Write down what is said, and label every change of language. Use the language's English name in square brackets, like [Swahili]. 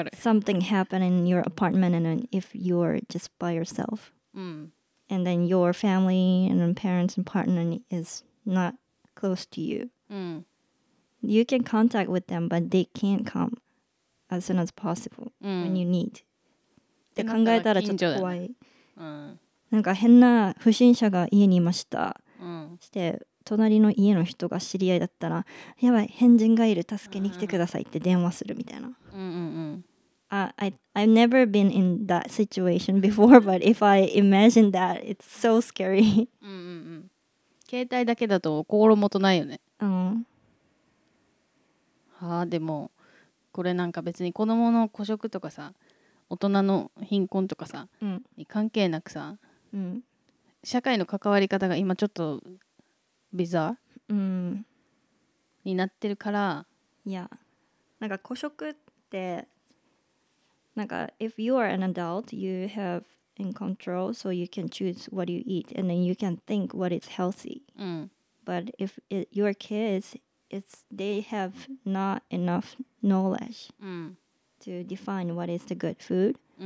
[English] something happen in your apartment and if you're just by yourself、and then your family and parents and partner is not close to you、 You can contact with them, but they can't come as soon as possible、when you need. [Japanese] って考えたらちょっと怖い。なんか変な不審者が家にいました。して隣の家の人が知り合いだったら、やばい変人がいる助けに来てくださいって電話するみたいな。 [English] I've never been in that situation before, but if I imagine that, it's so scary. [Japanese] 携帯だけだと心もとないよね。ああでもこれなんか別に子どもの孤食とかさ、大人の貧困とかさ、に関係なくさ、社会の関わり方が今ちょっとビザになってるから、なんか孤食ってなんか [English] if you are an adult, you have in control, so you can choose what you eat and then you can think what is healthy. But if your kids, it's they have not enough knowledge to define what is the good food.